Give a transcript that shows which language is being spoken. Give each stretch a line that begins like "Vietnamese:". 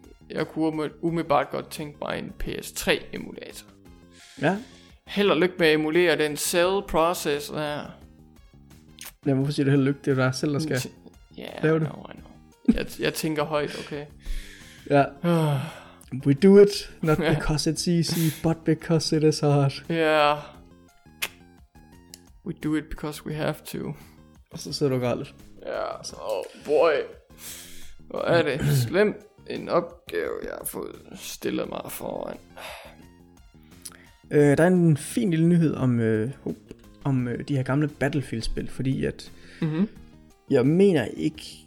Danish: Jeg kunne umiddelbart godt tænke mig en PS3 emulator. Ja. Held og lykke med at emulere den cell process der. Ja, hvorfor siger du held og lykke? Det er jo dig selv, der skal lave det.
English: I know.
Danish: Jeg tænker højt, okay. Ja.
English: We do it, not because it's easy, but because it is hard. Yeah. We do it because we have to.
Danish: Og så sidder du galt. Ja, så boy. Hvor er det slemt en opgave, jeg har fået stillet mig foran. Der er en fin lille nyhed om de her gamle Battlefield-spil, fordi at jeg mener ikke...